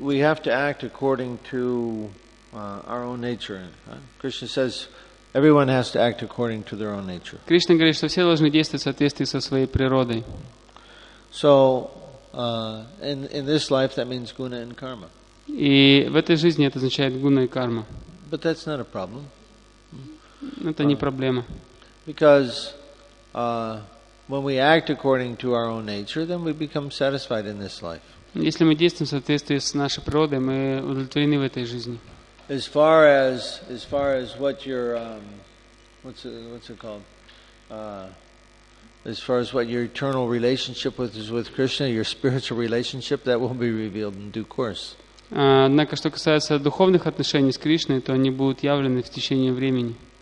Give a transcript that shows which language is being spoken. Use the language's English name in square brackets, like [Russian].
[English] We have to act according to our own nature. Krishna says everyone has to act according to their own nature. [Russian] Кришна говорит, что все должны действовать в соответствии со своей природой. [English] So in this life that means guna and karma. [Russian] И в этой жизни это означает гуна и карма. [English] But that's not a problem. [Russian] Это не проблема. [English] Because when we act according to our own nature, then we become satisfied in this life. [Russian] Если мы действуем в соответствии с нашей природой, мы удовлетворены в этой жизни. [English] As far as what your what's it called? As far as what your eternal relationship with is with Krishna, your spiritual relationship, that will be revealed in due course. [Russian] Однако, что касается духовных отношений с Кришной, то они будут явлены в течение времени.